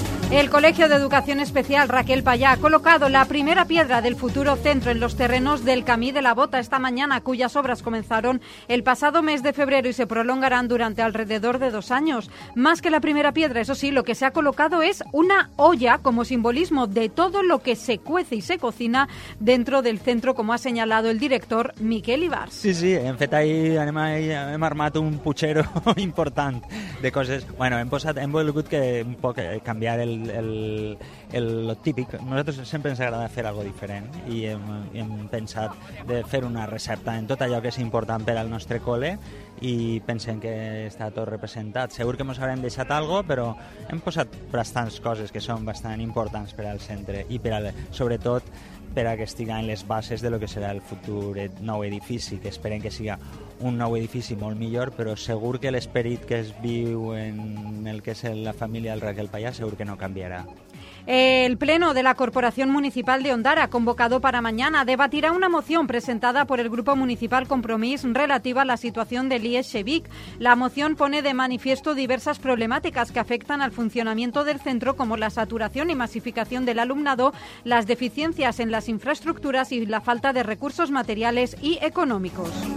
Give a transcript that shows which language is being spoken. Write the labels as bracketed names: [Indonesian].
[Spanish] El Colegio de Educación Especial Raquel Payá ha colocado la primera piedra del futuro centro en los terrenos del Camí de la Bota esta mañana, cuyas obras comenzaron el pasado mes de febrero y se prolongarán durante alrededor de 2 años. Más que la primera piedra, eso sí, lo que se ha colocado es una olla como simbolismo de todo lo que se cuece y se cocina dentro del centro, como ha señalado el director Miquel Ibars. [Catalan] Sí, sí, en fet, ahí hem armat un puchero important de coses. Bueno, hem volgut que un poc canviar el típic. Nosaltres sempre ens agrada fer algo diferent i hem pensat de fer una recepta en tot allò que és important per al nostre col·le, i pensem que està tot representat. Segur que ens haurem deixat algo, però hem posat bastants coses que són bastant importants per al centre i per al, sobretot per a que estiguin les bases de lo que serà el futur nou edifici, que esperem que siga un nou edifici molt millor, però segur que l'esperit que es viu en el que és la família del Raquel Payà segur que no canviarà. [Spanish] El Pleno de la Corporación Municipal de Ondara, convocado para mañana, debatirá una moción presentada por el Grupo Municipal Compromís relativa a la situación del IES Xevic. La moción pone de manifiesto diversas problemáticas que afectan al funcionamiento del centro, como la saturación y masificación del alumnado, las deficiencias en las infraestructuras y la falta de recursos materiales y económicos.